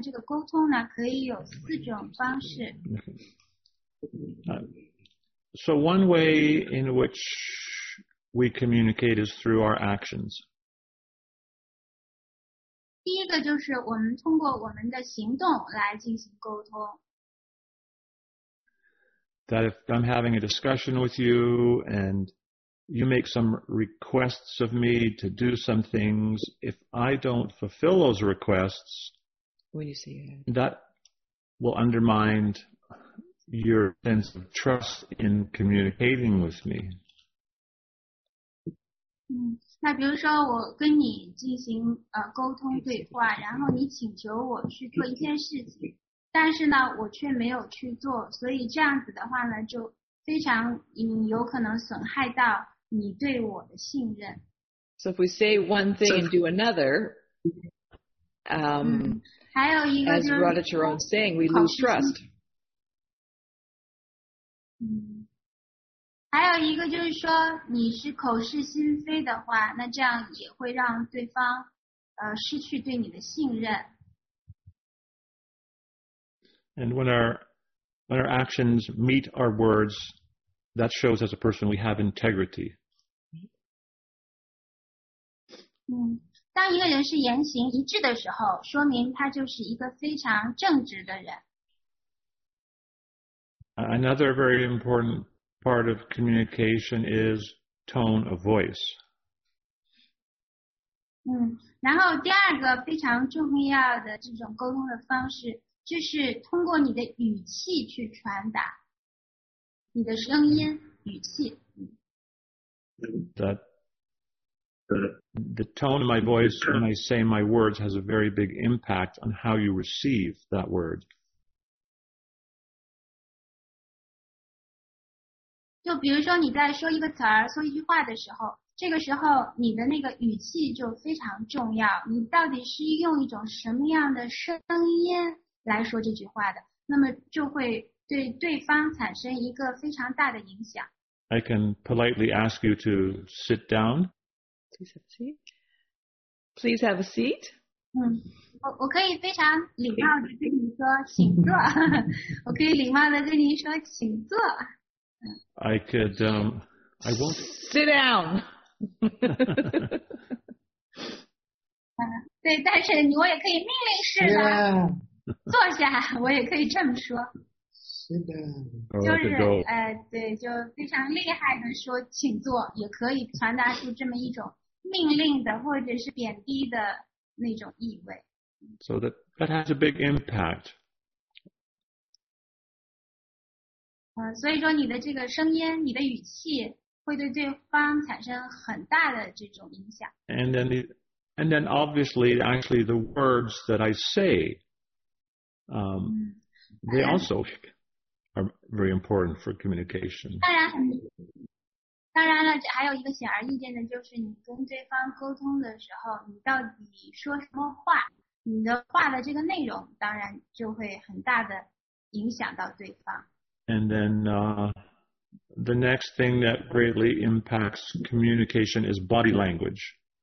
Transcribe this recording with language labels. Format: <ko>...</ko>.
<zh>其实呢,人跟人之间的这个沟通呢,可以有四种方式。</zh> <en>So one way in which we communicate is through our actions.</en> <zh>第一个就是我们通过我们的行动来进行沟通。</zh> <en>That if I'm having a discussion with you and you make some requests of me to do some things. If I don't fulfill those requests, when you say that will undermine your sense of trust in communicating with me.</en> <zh>那比如说我跟你进行, 沟通对话然后你请求我去做一件事情但是呢我却没有去做所以这样子的话呢就非常有可能损害到你对我的信任。</zh> <en>So if we say one thing and do another,</en> <zh>还有一个就是</zh> <en>as Rada Charan is saying, we lose trust.</en> <zh>还有一个就是说你是口是心非的话那这样也会让对方失去对你的信任。</zh> <en>And when our actions meet our words, that shows as a person we have integrity.</en> <zh>当一个人是言行一致的时候说明他就是一个非常正直的人。</zh> <en>Another very important part of communication is tone of voice.</en> <zh>然后第二个非常重要的这种沟通的方式就是通过你的语气去传达你的声音语气</zh> <en>the tone of my voice when I say my words has a very big impact on how you receive that word.</en> <zh>就比如说你在说一个词儿说一句话的时候这个时候你的那个语气就非常重要你到底是用一种什么样的声音来说这句话的那么就会对对方产生一个非常大的影响。</zh> <en>I can politely ask you to sit down. Please have a seat. Please have a seat.</en> <zh>我可以非常礼貌地跟你说请坐。我可以礼貌地跟你说请坐。</zh> <en>I could, I won't. Sit down.</en> <zh>对但是你我也可以命令式的。</zh> <en>Yeah.</en> <zh>坐下我也可以这么说是的就是对就非常厉害的说请坐也可以传达出这么一种命令的或者是贬低的那种意味</zh> <en>So that has a big impact</en> <zh>所以说你的这个声音你的语气会对对方产生很大的这种影响</zh> <en>And then obviously actually the words that I saythey also are very important for communication.</en> <zh>当然了还有一个显而易见的就是你跟对方沟通的时候你到底说什么话你的话的这个内容当然就会很大的影响到对方。</zh> <en>And then, the next thing that greatly impacts communication is body language.</en>